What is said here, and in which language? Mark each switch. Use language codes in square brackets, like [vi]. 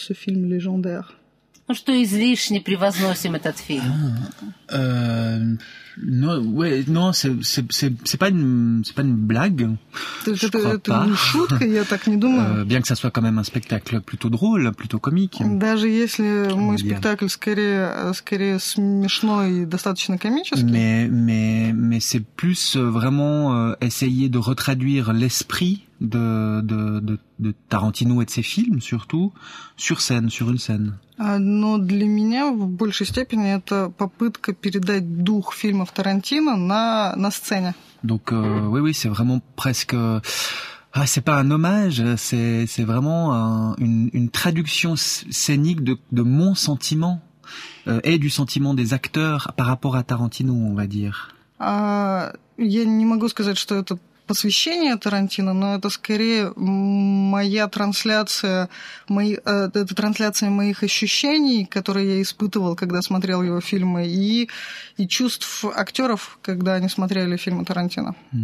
[ru] Ну что, излишне превозносим этот фильм? [fr] Non, c'est pas une blague. [ru] Это не шутка, я так не думаю. [fr] Bien que ça soit quand même un spectacle plutôt drôle, plutôt comique. [ru] Даже если мой спектакль скорее смешной и достаточно комический. [fr] Mais c'est plus vraiment essayer de retraduire l'esprit de Tarantino et de ses films, surtout sur scène, sur une scène. [ru] Но для меня в большей степени это попытка передать дух фильмов Тарантино на сцене. [fr] Donc oui, c'est vraiment presque c'est pas un hommage, c'est vraiment une traduction scénique de mon sentiment et du sentiment des acteurs par rapport à Tarantino, on va dire. [ru] Я не могу сказать, что это посвящение Тарантино, но это скорее моя трансляция, это трансляция моих ощущений, которые я испытывал, когда смотрел его фильмы, и чувств актеров, когда они смотрели фильмы Тарантино.